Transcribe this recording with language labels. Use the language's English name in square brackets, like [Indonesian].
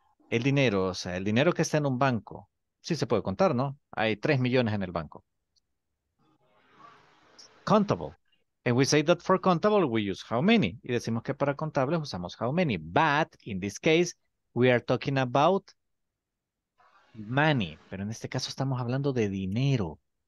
[Spanish] El dinero, o sea, el dinero que está en un banco, sí se puede contar, ¿no? Hay 3 millones en el banco. Contable. [English] And we say that for contable, we use how many. [Spanish] Y decimos que para contable usamos how many. [English] But in this case, we are talking about money. [Spanish] Pero en este caso estamos hablando de dinero.